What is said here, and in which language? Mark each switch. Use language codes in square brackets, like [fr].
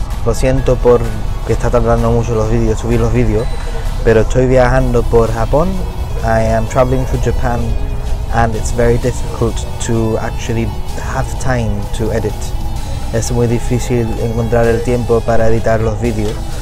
[es] Lo siento por que está tardando mucho los vídeos, subir los vídeos, pero estoy viajando por Japón. [en] I am traveling through Japan and it's very difficult to actually have time to edit. [es] Es muy difícil encontrar el tiempo para editar los vídeos.